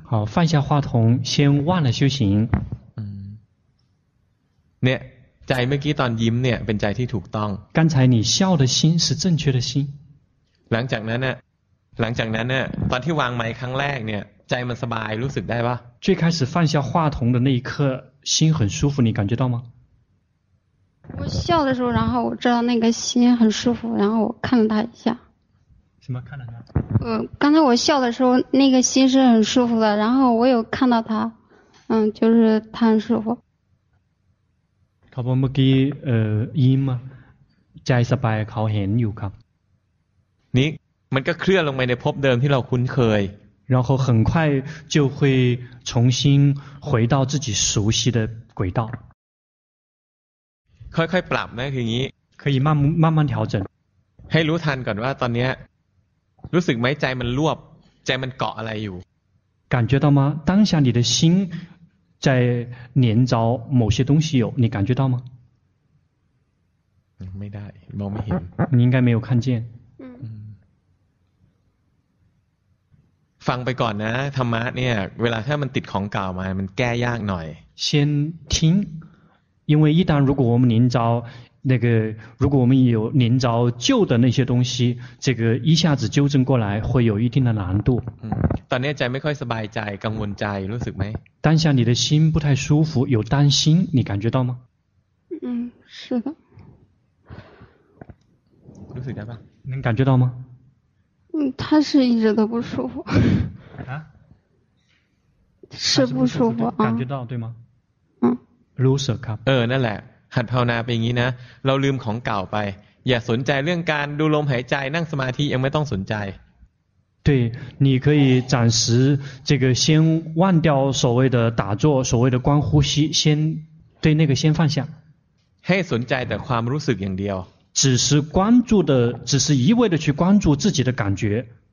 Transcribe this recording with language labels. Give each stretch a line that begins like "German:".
Chinese: 好放下话筒先忘了修行
Thai: เนี่ยใจเมื่อกี้ตอนยิ้มเนี่ยเป็นใจที่ถูกต้อง
Chinese: 刚才你笑的心是正确的心
Thai: หลังจากนั้นเนี่ยหลังจากนั้นเนี่ยตอนที่วางไมค์ครั้งแรกเนี่ยใจมันสบายรู้สึกได้ป่ะ
Chinese: 最开始放下话筒的那一刻心很舒服你感觉到吗我笑的时候然后我知道那个心很舒服然后我看了他一下什么看了他刚才我笑的时候那个心是很舒服的然后我有看到他就是他很舒服
Thai: เขาบอกเมื่อกี้ยิ้มใจสบายเขาเห็นอยู่ครับ นี่มันก็เคลื่อนลงไปในภพเดิมที่เราคุ้นเคย
Chinese: 然后很快就会重新回到自己熟悉的轨道
Thai: ค่อยๆปรับนะทีนี้
Chinese: 可以慢慢调整
Thai: ให้รู้ทันก่อนว่าตอนนี้รู้สึกไหมใจมันรวบใจมันเกาะอะไรอยู่
Chinese: 感觉到吗当下你的心在黏着某些东西有你感觉到吗没带猫没听你应该没有看见
Thai: ฟังไปก่อนนะธรรมะเนี่ยเวลาถ้ามันติดของเก่ามามันแก้ยากหน่อย
Chinese: 先听因为一旦如果我们黏着那个如果我们有黏着旧的那些东西这个一下子纠正过来会有一定的难度
Thai: ตอนนี้ใจไม่ค่อยสบายใจกังวลใจรู้สึกไหม
Chinese: 当下你的心不太舒服有担心你感觉到吗是的
Thai: รู้สึกได้ป่ะ
Chinese: 能感觉到吗他是一直都不舒服啊是不舒服啊感觉到对吗
Thai: รู้สึกครับ นั่นแหละหัดภาวนาไปอย่างนี้นะเราลืมของเก่าไปอย่าสนใจเรื่องการดูลมหายใจนั่งสมาธิยังไม่ต้องสนใจ
Chinese: 对你可以暂时这个先忘掉所谓的打坐所谓的观呼吸先对那个先放下
Thai: ให้สนใจแต่ความรู้สึกอย่างเดียว
Chinese: 只是关注的只是一味的去关注自己的感觉